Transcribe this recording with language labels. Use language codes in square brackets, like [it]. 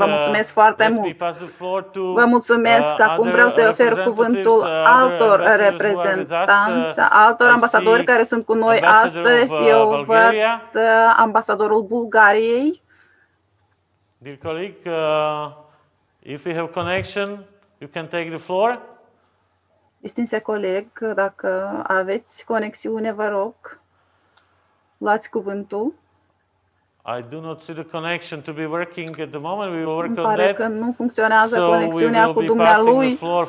[ro] Vă mulțumesc foarte mult! Vă mulțumesc! Acum vreau să ofer cuvântul altor reprezentanți, altor ambasadori care sunt cu noi astăzi. Eu văd ambasadorul Bulgariei. [en] Dear colleague, if we have connection, you can take the floor. [ro] Distinse coleg, dacă aveți conexiune, vă rog, luați cuvântul. [en] I do not see the connection to be working at the moment. We will work on that. [ro] Pare că nu funcționează conexiunea cu dumnealui.